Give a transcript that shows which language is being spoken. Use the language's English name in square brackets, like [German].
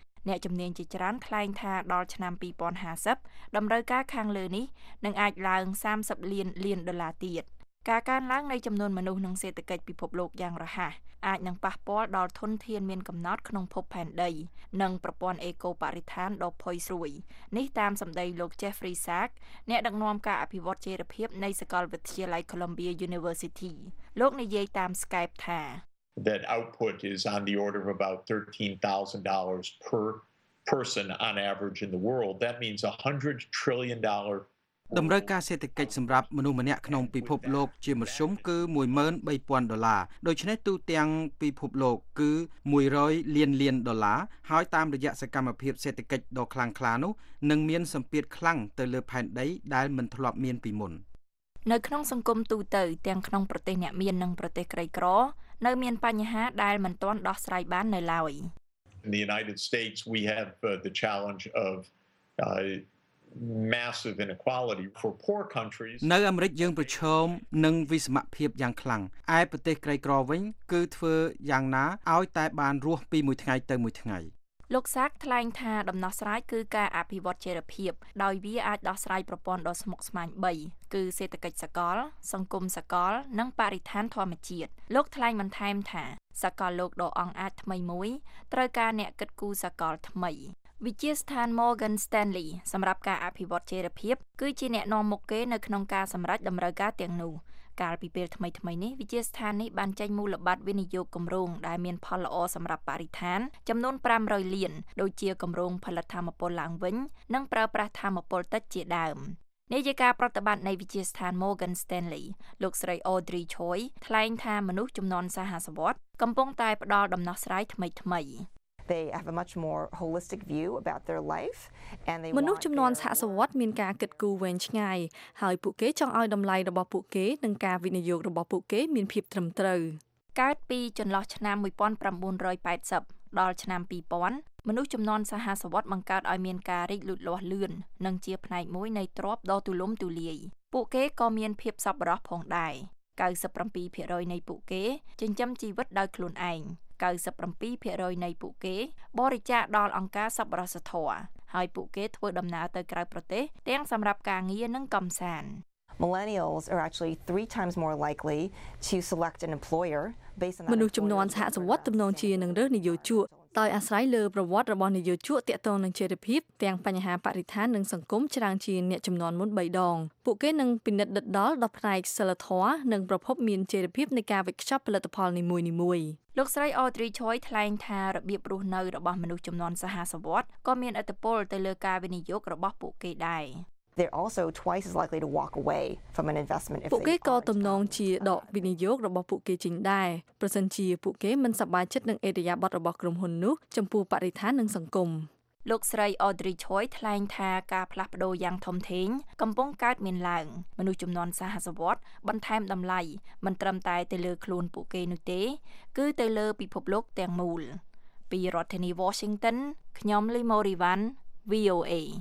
[Khmer] អ្នកជំនាញជាច្រើនថ្លែងថាដល់ឆ្នាំ2050តម្រូវការខាងលើនេះនឹងអាចឡើង30លានលានដុល្លារទៀតការកើនឡើងនៃចំនួនមនុស្សក្នុងសេដ្ឋកិច្ចពិភពលោកយ៉ាងរហ័សអាចនឹងប៉ះពាល់ដល់ធនធានមានកំណត់ក្នុងភពផែនដីនិងប្រព័ន្ធអេកូបរិស្ថានដ៏ផុយស្រួយនេះតាមសម្ដីលោក Jeffrey Sachs អ្នកដឹកនាំការអភិវឌ្ឍចីរភាពនៃសាកលវិទ្យាល័យ Columbia University លោកនិយាយតាម Skype ថា [English] That output is on the order of about $13,000 per person on average in the world. That means $100 trillion [Khmer] តម្រូវការសេដ្ឋកិច្ចសម្រាប់មនុស្សម្នាក់ក្នុងពិភពលោកជាមធ្យមគឺ 13,000 ដុល្លារដូច្នេះទូទាំងពិភពលោកគឺ100លានលានដុល្លារហើយតាមរយៈសកម្មភាពសេដ្ឋកិច្ចដ៏ខ្លាំងក្លានោះនឹងមានសម្ពាធខ្លាំងទៅលើផែនដីដែលមិនធ្លាប់មានពីមុននៅក្នុងសង្គមទូទៅទាំងក្នុងប្រទេសអ្នកមាននិងប្រទេសក្រីក្រនៅមានបញ្ហាដែលមិនទាន់ដោះស្រាយបាននៅឡើយ [English] In the United States we have the challenge of massive inequality for poor countries [Khmer] នៅអាមេរិកយើងប្រឈមនឹងវិសមភាពយ៉ាងខ្លាំងឯប្រទេសក្រីក្រវិញគឺធ្វើយ៉ាងណាឲ្យតែបានរស់ពីមួយថ្ងៃទៅមួយថ្ងៃ លោកសាកថ្លែងថាដំណោះស្រាយគឺការអភិវឌ្ឍចីរភាពដោយវាអាចដោះស្រាយប្រព័ន្ធដ៏ស្មុគស្មាញ3គឺសេដ្ឋកិច្ចសកលសង្គមសកលនិងបរិស្ថានធម្មជាតិលោកថ្លែងបន្ថែមថាសកលលោកដ៏អង់អាចថ្មីមួយត្រូវការអ្នកគិតគូរសកលថ្មី វិទ្យាស្ថាន Morgan Stanley សម្រាប់ការអភិវឌ្ឍចីរភាពគឺជាអ្នកនាំមុខគេនៅក្នុងការសម្រេចតម្រូវការទាំងនោះកាលពីពេលថ្មីៗនេះវិទ្យាស្ថាននេះបានចេញមូលបត្រវិនិយោគគម្រោងដែលមានផលល្អសម្រាប់បរិស្ថានចំនួន500លានដូចជាគម្រោងផលិតថាមពលឡើងវិញនិងប្រើប្រាស់ថាមពលទឹកជាដើមនាយិកាប្រតិបត្តិនៃវិទ្យាស្ថាន Morgan Stanley លោកស្រី Audrey Choi ថ្លែងថាមនុស្សជំនាន់សហសវ័តកំពុងតែផ្ដល់ដំណោះស្រាយថ្មីៗ [English] They have a much more holistic view about their life and they [Khmer] មនុស្សចំនួនសហសវ័តមានការគិតគូរវែងឆ្ងាយហើយពួកគេចង់ឲ្យតម្លៃរបស់ពួកគេនិងការវិនិយោគរបស់ពួកគេមានភាពត្រឹមត្រូវ កើតពីចន្លោះឆ្នាំ1980ដល់ឆ្នាំ2000មនុស្សចំនួនសហសវ័តបង្កើតឲ្យមានការរីកលូតលាស់លឿននិងជាផ្នែកមួយនៃទ្រព្យដ៏ទូលំទូលាយពួកគេក៏មានភាពសប្បុរសផងដែរ 97% នៃពួកគេចិញ្ចឹមជីវិតដោយខ្លួនឯង97% នៃពួកគេបរិច្ចាគដល់អង្គការសប្បុរសធម៌ហើយពួកគេធ្វើដំណើរទៅក្រៅប្រទេសទាំងសម្រាប់ការងារនិងកម្សាន្ត [English] Millennials are actually 3 times more likely to select an employer based on [Khmer] មនុស្សចំនួនសហសវ័តទំនងជានឹងរើសនិយោជកដោយអាស្រ័យលើប្រវត្តិរបស់និយោជកទាក់ទងនឹងចេរភាពទាំងបញ្ហាបរិស្ថាននិងសង្គមច្រើនជាអ្នកចំនួនមុន3ដងពួកគេនឹងពិនិត្យដិតដល់ដល់ផ្នែកសិលធម៌និងប្រភពមានចេរភាពនៃការវេចខ្ចប់ផលិតផលនីមួយៗ លោកស្រី Audrey Choi ថ្លែងថារបៀបរស់នៅរបស់មនុស្សចំនួនសហសវ័តក៏មានឥទ្ធិពលទៅលើការវិនិយោគរបស់ពួកគេដែរ [English] They're also twice as likely to walk away from an investment if they [Khmer] ពួកគេក៏ទំនងជាដកវិនិយោគរបស់ពួកគេចេញដែរប្រសិនជាពួកគេមិនសប្បាយចិត្តនឹងឥរិយាបថរបស់ក្រុមហ៊ុននោះចំពោះបរិស្ថាននិងសង្គម លោកស្រី Audrey Choi ថ្លែងថាការផ្លាស់ប្ដូរយ៉ាងធំធេងកំពុងកើតមានឡើងមនុស្សចំនួនសហសវ័តបន្ថែមតម្លៃមិនត្រឹមតែទៅលើខ្លួនពួកគេនោះទេគឺទៅលើពិភពលោកទាំងមូលពីរដ្ឋធានី Washington ខ្ញុំលីម៉ូរីវ៉ាន់ VOA